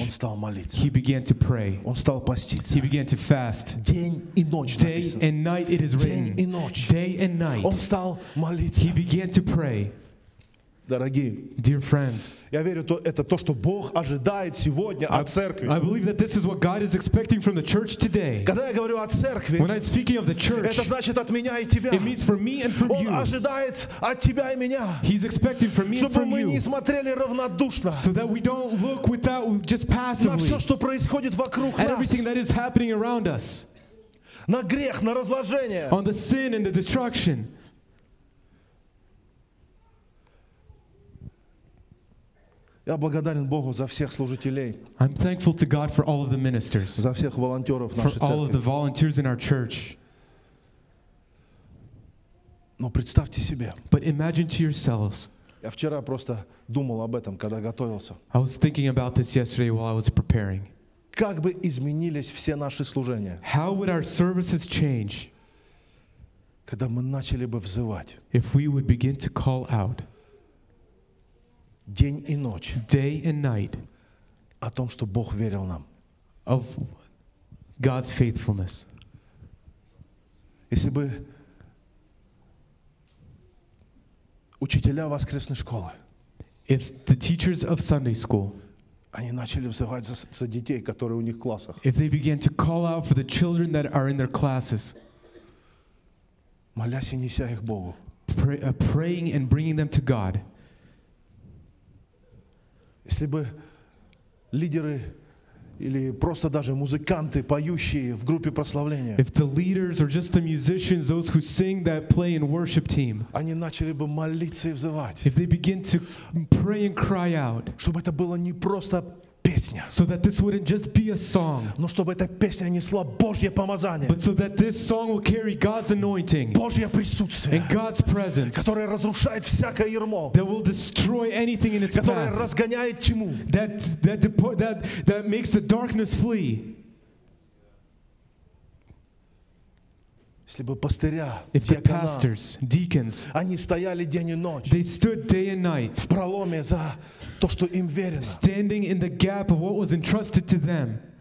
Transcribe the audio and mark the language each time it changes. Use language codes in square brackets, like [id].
[ru] Он стал молиться. [en] He began to pray. [ru] Он стал поститься. [en] He began to fast. [ru] День и ночь. [en] Day and night it is written. [ru] День и ночь. [en] Day and night. [ru] Он стал молиться. [en] He began to pray. [ru] Дорогие, [en] dear friends, [ru] я верю, это то, что Бог ожидает сегодня от церкви. [en] I believe that this is what God is expecting from the church today. [ru] Когда я говорю о церкви, [en] when I'm speaking of the church, [ru] это значит от меня и тебя. [en] It means for me and from you. [ru] Он ожидает от тебя и меня. [en] He's expecting from me and from you. [ru] Чтобы мы не смотрели равнодушно. [en] So that we don't look without just passively. [ru] На все, что происходит вокруг нас. [en] Everything that is happening around us. [ru] На грех, на разложение. [en] On the sin and the destruction. [ru] Я благодарен Богу за всех служителей. [en] I'm thankful to God for all of the ministers. [ru] За всех волонтеров нашей церкви. [en] For all of the volunteers in our church. [ru] Но представьте себе. [en] But imagine to yourselves. [ru] Я вчера просто думал об этом, когда готовился. [en] I was thinking about this yesterday while I was preparing. [ru] Как бы изменились все наши служения? [en] How would our services change? [ru] Когда мы начали бы взывать? [en] If we would begin to call out. [ru] День и ночь. [en] Day and night. [ru] О том, что Бог верил нам. [en] Of God's faithfulness. [ru] Если бы учителя воскресной школы. [en] If the teachers of Sunday school. [ru] Они начали взывать за детей, которые у них в классах. [en] If they began to call out for the children that are in their classes. [ru] Молясь и неся их Богу. [en] Praying and bringing them to God. [ru] Если бы лидеры или просто даже музыканты, поющие в группе прославления, [en] if the leaders or just the musicians, those who sing that play in worship team, [ru] они начали бы молиться и взывать, [en] if they begin to pray and cry out, [ru] чтобы это было не просто песня, [en] so that this wouldn't just be a song, [ru] но чтобы эта песня несла Божье помазание, [en] but so that this song will carry God's anointing, [ru] Божье присутствие, [en] and God's presence, [ru] которое разрушает всякое ярмо, [en] that will destroy anything in its [ru] которое [en] path, [ru] которое разгоняет тьму, [en] that makes the darkness flee. [ru] Если бы пастыря, [en] if the pastors, deacons, [ru] они стояли день и ночь, [en] they stood day and night, [ru] в проломе за то, что им верено. [en] Standing in the gap of what was entrusted to them.